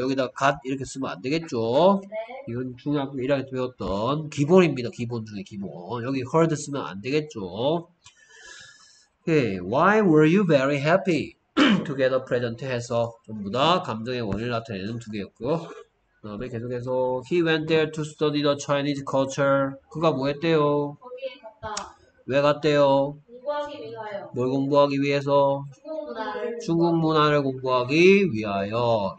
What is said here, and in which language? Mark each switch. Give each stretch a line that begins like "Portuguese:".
Korean: 여기다 got 이렇게 쓰면 안 되겠죠. 이건 중학교 1학년 배웠던 기본입니다. 기본 중에 기본. 여기 heard 쓰면 안 되겠죠.
English: Okay. Why were you very happy to get a present?
Korean: 해서 전부 다 감정의 원인을 나타내는 두 개였고요. 그 다음에 계속해서
English: He went there to study the Chinese culture.
Korean: 그가 뭐 했대요? 왜 갔대요? 뭘 공부하기 위해서? 중국 문화를 공부하기 위하여.